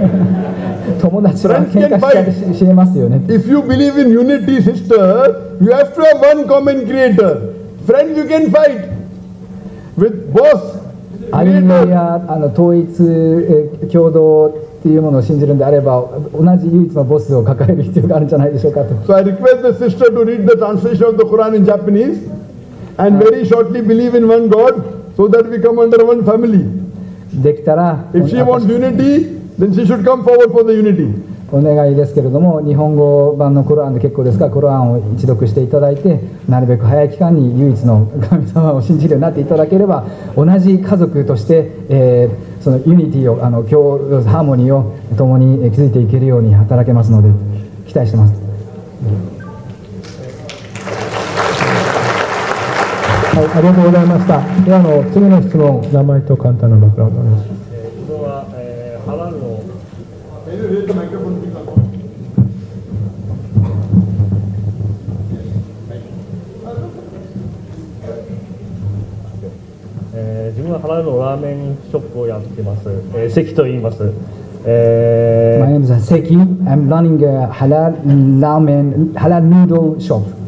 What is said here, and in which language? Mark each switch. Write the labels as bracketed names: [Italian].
[Japanese] 友達は喧嘩しれますよね。 [English] If you believe in unity, sister, you have to have one common creator. Friend, you can fight with boss. [Japanese] 歩み寄り統一共同っていうものを信じるんであれば、同じ唯一のボスを抱える必要があるんじゃないでしょうかと。 [English] So I request the sister to read the translation of the Quran in Japanese and very shortly believe in one God so that we come under one family. [Japanese] できたら。 [English] If she wants unity. Then she should come forward for the unity. [Japanese] お願いですけれども、日本語版のコランで結構ですが、コランを一読していただいて、なるべく早い期間に唯一の神様を信じるようになっていただければ、同じ家族として、そのユニティを、ハーモニーを共に築いていけるように働けますので、期待しています。はい、ありがとうございました。では次の質問、名前と簡単なバックグラウンドです。自分はハラルのラーメンショップをやってます。関と言います。 [English] My name is Seki. I'm running a halal ramen, halal noodle shop.